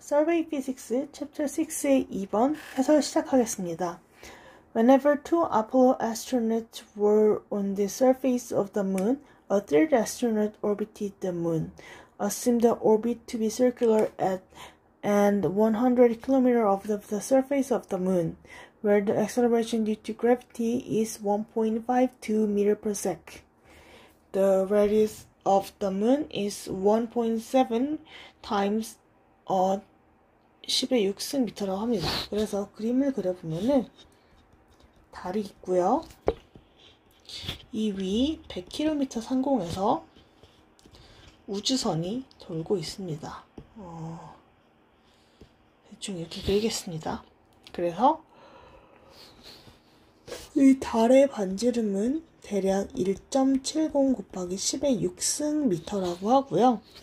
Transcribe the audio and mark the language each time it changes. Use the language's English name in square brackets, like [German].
[Korean] Survey Physics Chapter 6의 2번 해설 시작하겠습니다. [English] Whenever two Apollo astronauts were on the surface of the moon, a third astronaut orbited the moon, assumed the orbit to be circular at and 100 km off of the surface of the moon, where the acceleration due to gravity is 1.52 meter per sec. The radius of the moon is 1.7 times [Korean] 10의 6승 미터라고 합니다. 그래서 그림을 그려보면은 달이 있고요. 이위 100km 상공에서 우주선이 돌고 있습니다. 대충 이렇게 그리겠습니다. 그래서 이 달의 반지름은 대략 1.70 곱하기 10의 6승 미터라고 하고요.